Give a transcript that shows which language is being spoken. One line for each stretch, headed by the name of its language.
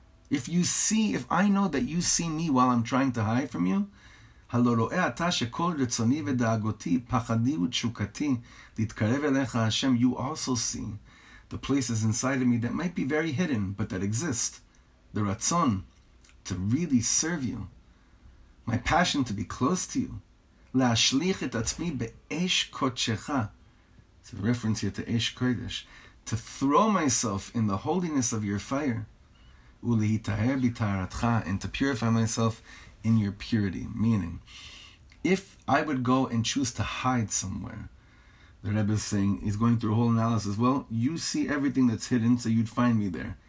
English: If I know that you see me while I'm trying to hide from you,
Hebrew: הלא רואה אתה שכל רצוני ודאגותי, פחדי ותשוקתי, להתקרב אליך השם.
English: You also see the places inside of me that might be very hidden, but that exist. The רצון to really serve you. My passion to be close to you.
Hebrew: להשליך את עצמי באש קודשך.
English: It's a reference here to אש קודש. To throw myself in the holiness of your fire.
Hebrew: ולהיטהר בטהרתך,
English: and to purify myself in your purity. Meaning, if I would go and choose to hide somewhere, the Rebbe is saying, he's going through a whole analysis, well, you see everything that's hidden, so you'd find me there.